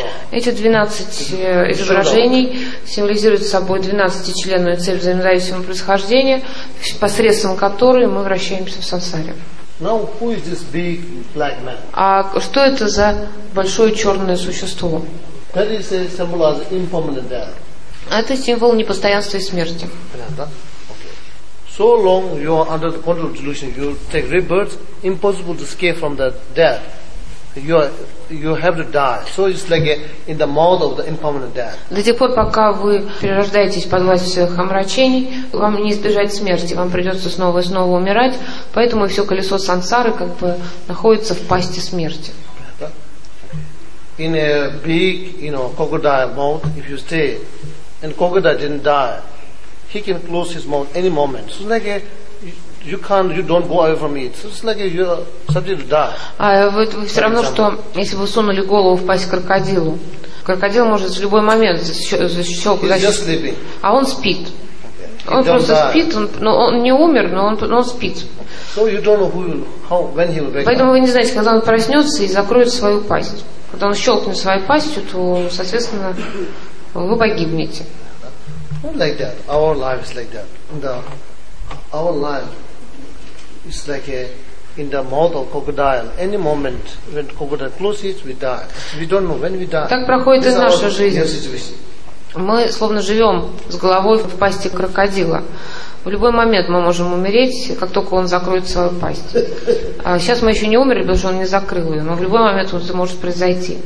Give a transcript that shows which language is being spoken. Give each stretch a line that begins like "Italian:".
Russian: Эти 12 изображений символизируют собой 12-членную цепь взаимозависимого происхождения, посредством которой мы вращаемся в сансаре.
English: Now, who is this big black man?
Russian: А что это за большое черное существо?
English: That is a symbol of impermanent death.
Russian: Это символ непостоянства и смерти.
English: So long you are under the control of delusion, you take rebirth, impossible to escape from the death. You have to die. So it's like in the mouth of the impermanent death.
Russian: До тех пор, пока вы перерождаетесь под властью своих омрачений, вам не избежать смерти, вам придется снова и снова умирать, поэтому все колесо сансары как бы находится в пасти смерти.
English: In a big, you know, crocodile mouth, if you stay, and crocodile didn't die, he can close his mouth any moment. So it's like you don't go away from it. So it's like you're subject to die.
Russian: А вы все равно, что если вы сунули голову в пасть крокодилу, крокодил может в любой момент
English: sleeping.
Russian: А он спит. Okay. Он просто спит, но он не умер, но он спит.
English: Okay. So you don't know who will, how, when he will wake up.
Russian: Поэтому вы не знаете, когда он проснется и закроет свою пасть. Когда он щелкнет своей пастью, то, соответственно, вы погибнете.
English: Like that. Our life is like that. The, our life is like a, in the mouth of crocodile. Any moment when crocodile closes, we die. We don't know when we die.
Russian: Так проходит и наша жизнь. Мы словно живем с головой в пасти крокодила. В любой момент мы можем умереть, как только он закроет свою пасть. А сейчас мы еще не умерли, потому что он не закрыл ее, но в любой момент это может произойти.